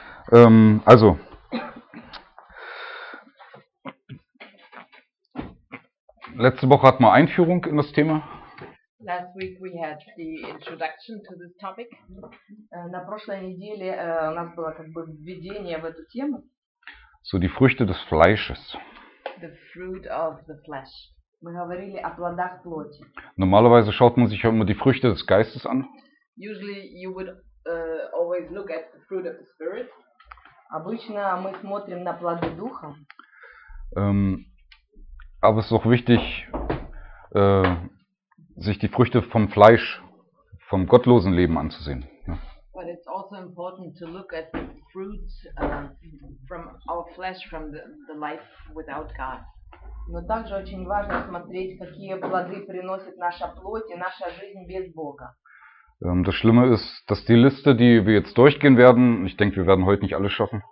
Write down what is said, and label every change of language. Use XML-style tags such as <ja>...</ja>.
<de>Also, letzte Woche hatten wir Einführung in das Thema.</de> <en>Last week we had the introduction to this topic.</en> <ru>На прошлой неделе у нас было как бы введение в эту тему.</ru> <de>So, die Früchte des Fleisches.</de> <en>The fruit of the flesh.</en> <ru>Мы говорили о плодах плоти.</ru> <de>Normalerweise schaut man sich ja immer die Früchte des Geistes an.</de> <en>Usually you would always look at the fruit of the Spirit.</en> <ru>Обычно мы смотрим на плоды Духа.</ru> <de>Aber es ist auch wichtig, sich die Früchte vom Fleisch, vom gottlosen Leben anzusehen.</de> <en>But it's also important to look at the fruits from our flesh, from the life without God.</en> <ru>Но также очень важно смотреть, какие плоды приносит наша плоть и наша жизнь без Бога.</ru> <de>Das Schlimme ist, dass die Liste, die wir jetzt durchgehen werden, ich denke, wir werden heute nicht alles schaffen.</de>